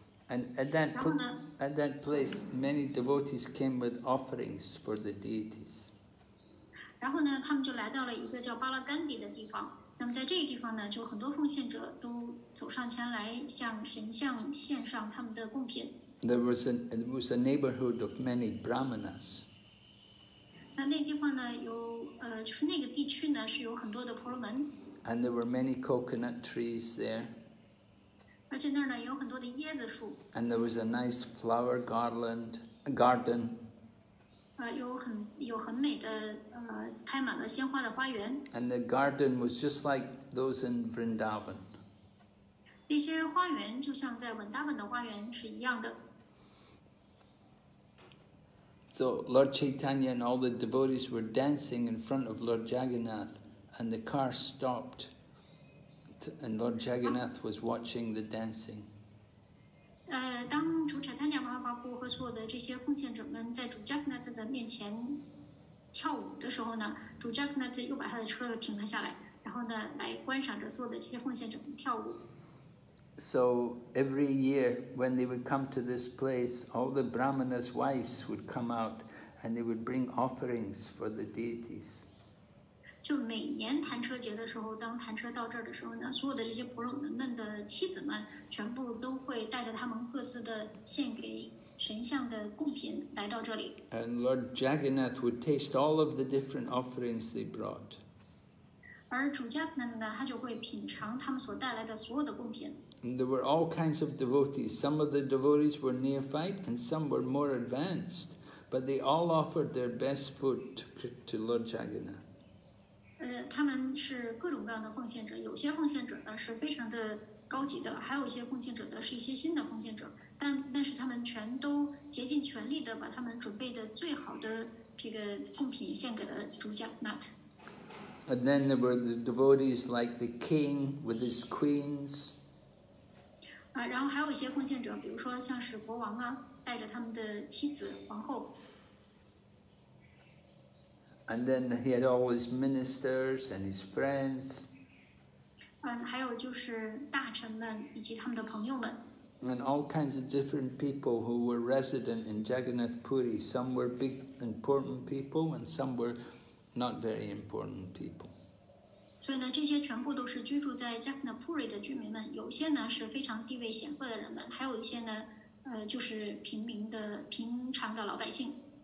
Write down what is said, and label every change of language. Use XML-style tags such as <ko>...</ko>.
<en>And at that place, many devotees came with offerings for the deities.</en> <zh>然后呢，他们就来到了一个叫巴拉甘迪的地方。那么在这个地方呢，就很多奉献者都走上前来向神像献上他们的贡品。</zh> <en>There was a neighborhood of many brahmanas.</en> <zh>那地方呢就是那个地区呢是有很多的婆罗门。</zh> <en>And there were many coconut trees there.</en> <zh>而且那儿呢有很多的椰子树。</zh> <en>And there was a nice flower garland, a garden.</en> <zh>有很美的开满了鲜花的花园。</zh> <en>And the garden was just like those in Vrindavan.</en> <zh>那些花园就像在文达文的花园是一样的。</zh> <en>So Lord Chaitanya and all the devotees were dancing in front of Lord Jagannath, and the car stopped to and Lord Jagannath was watching the dancing.</en> <zh>当主 Chaitanya Mahaprabhu 和所有的这些奉献者们在主 Jagannath 的面前跳舞的时候呢，主 Jagannath 又把他的车又停了下来，然后呢，来观赏着所有的这些奉献者们跳舞。</zh> <en>So every year when they would come to this place, all the brahmanas' wives would come out and they would bring offerings for the deities.</en> <zh>就每年弹车节的时候，当弹车到这儿的时候呢，所有的这些婆罗门们的妻子们全部都会带着他们各自的献给神像的贡品来到这里。</zh> <en>And Lord Jagannath would taste all of the different offerings they brought.</en> <zh>而主迦那呢，他就会品尝他们所带来的所有的贡品。</zh> <en>And there were all kinds of devotees. Some of the devotees were neophyte and some were more advanced. But they all offered their best food to Lord Jagannath.</en> <zh>他们是各种各样的奉献者，有些奉献者呢是非常的高级的，还有一些奉献者呢是一些新的奉献者。但是他们全都竭尽全力地把他们准备的最好的这个贡品献给了主 Jagannath。</zh> <en>And then there were the devotees like the king with his queens.</en> <zh>然后还有一些奉献者，比如说像是国王啊，带着他们的妻子、皇后。</zh> <en>And then he had all his ministers and his friends.</en> <zh>还有就是大臣们以及他们的朋友们。</zh> <en>And all kinds of different people who were resident in Jagannath Puri. Some were big important people, and some were not very important people.</en> <zh>所以呢，这些全部都是居住在 Jagannath Puri 的居民们，有些呢是非常地位显赫的人们，还有一些呢，就是平民的平常的老百姓。</zh>